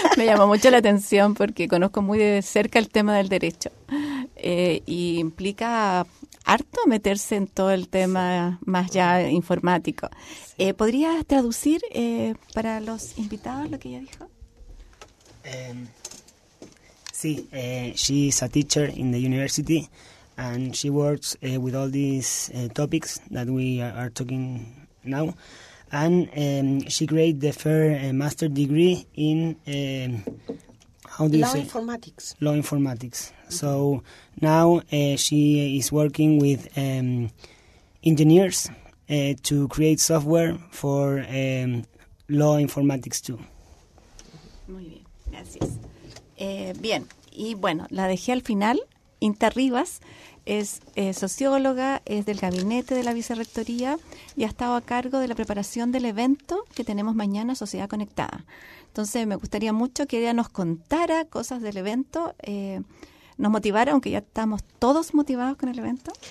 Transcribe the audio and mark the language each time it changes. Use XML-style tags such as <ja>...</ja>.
<es>Me llamó mucho la atención porque conozco muy de cerca el tema del derecho. Y implica harto meterse en todo el tema más ya informático. ¿Podrías traducir para los invitados lo que ella dijo?</es> <en>Sí, she is a teacher in the university. And she works with all these topics that we are talking now. And she created the first master's degree in... Law Informatics. Law Informatics. Mm-hmm. So now she is working with engineers to create software for law informatics too.</en> <es>Muy bien, gracias. Bien, y bueno, la dejé al final. Inta Rivas es socióloga, es del gabinete de la vicerrectoría y ha estado a cargo de la preparación del evento que tenemos mañana, Sociedad Conectada. Entonces, me gustaría mucho que ella nos contara cosas del evento, nos motivara, aunque ya estamos todos motivados con el evento.</es>